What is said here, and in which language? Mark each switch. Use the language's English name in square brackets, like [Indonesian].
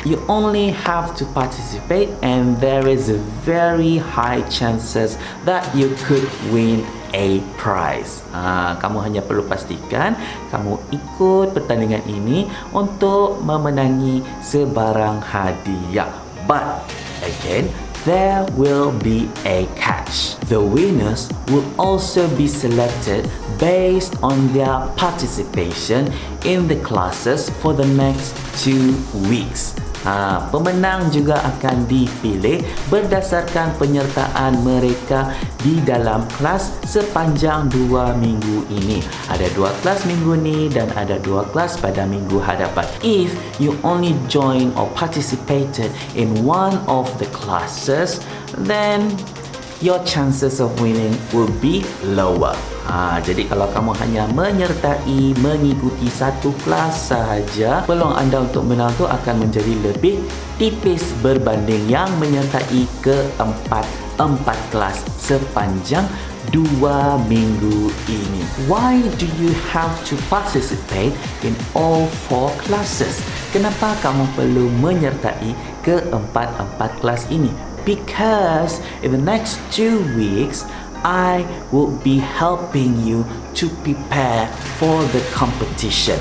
[English] You only have to participate and there is a very high chances that you could win a prize. [Malay] Kamu hanya perlu pastikan kamu ikut pertandingan ini untuk memenangi sebarang hadiah. [English] But again, there will be a catch. The winners will also be selected based on their participation in the classes for the next 2 weeks. [Malay] Pemenang juga akan dipilih berdasarkan penyertaan mereka di dalam kelas sepanjang 2 minggu ini. Ada 2 kelas minggu ini dan ada 2 kelas pada minggu hadapan. [English] If you only join or participated in one of the classes, then your chances of winning will be lower. [Malay] Jadi kalau kamu hanya menyertai, mengikuti satu kelas sahaja, peluang anda untuk menang itu akan menjadi lebih tipis berbanding yang menyertai keempat kelas sepanjang 2 minggu ini. [English] Why do you have to participate in all 4 classes? [Malay] Kenapa kamu perlu menyertai keempat kelas ini? [English] Because in the next 2 weeks, I will be helping you to prepare for the competition.